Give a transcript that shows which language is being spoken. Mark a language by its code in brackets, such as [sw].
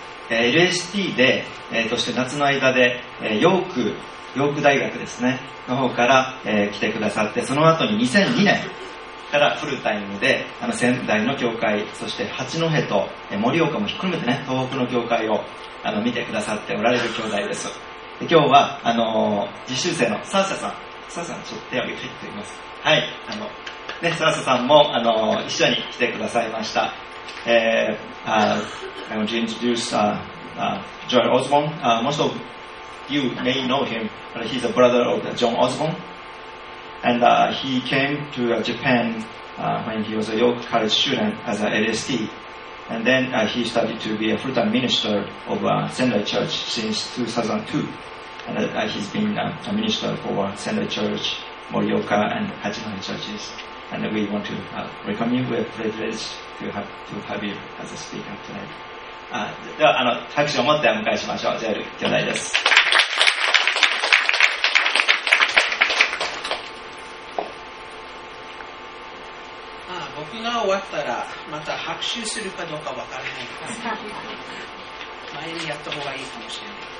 [ja] LHT で、として夏の間で、ヨーク大学ですねの方から、来てくださって、その後に2002年からフルタイムで仙台の教会、そして八戸と盛岡もひっくるめてね、東北の教会を見てくださっておられる兄弟です。で今日は実習生のサーサさん、サーサさんちょっと手を挙げていただきます。はい、ね、サーサさんも一緒に来てくださいました。 [en] I want to introduce Joel Osborne. Most of you may know him, but he's a brother of John Osborne. And he came to Japan when he was a York College student as a LST. And then he started to be a full-time minister of Sendai Church since 2002. And he's been a minister for Sendai Church, Morioka, and Hachinohe churches. And we want to welcome you. We're privileged to have you as a speaker tonight. [ja] では拍手を持ってお迎えしましょう。ジョエル兄弟です。僕が終わったらまた拍手するかどうか分からないから前にやった方がいいかもしれない。